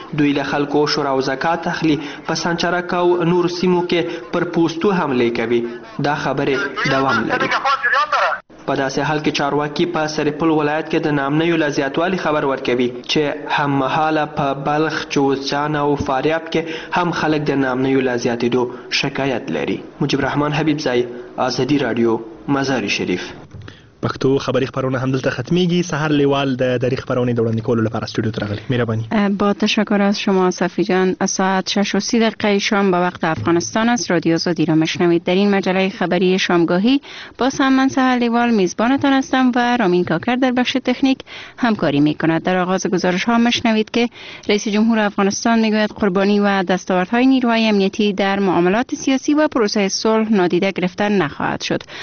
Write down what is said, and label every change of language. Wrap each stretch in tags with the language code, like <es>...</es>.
<ps>دوی له خلکو شورا او زکات اخلي، په سنچرک او نور سیمو کې پر پوستو حمله کوي. دا خبرې دوام لري. په داسې حال کې چارواکي په سرپل ولایت کې د نامنیو له زیاتوالي خبر ورکوي چې هم مهاله په بلخ، جوزجان او فاریاب کې هم خلک د نامنیو له زیاتېدو شکایت لري. مجیب رحمان حبیب زای، آزادی رادیو، مزار شریف. پښتو خبرې خبرونه هم دلته ختمیږي. سحر لیوال د دری خبرونه د وړاندې کولو لپاره استودیو ته راغلی. مهرباني.</ps> <fa>با تشکر از شما صفی جان. ساعت 6:30 دقیقه شام به وقت افغانستان است. رادیو آزادی را مشنوید. در این مجله خبری شامگاهی با سمن سحر لیوال میزبانتان هستم و رامین کاکر در بخش تکنیک همکاری میکند. در آغاز گزارش ها مشنوید که رئیس جمهور افغانستان میگوید قربانی و دستاوردهای نیروهای امنیتی در معاملات سیاسی و پروسه صلح نادیده گرفته نخواهد شد.</fa>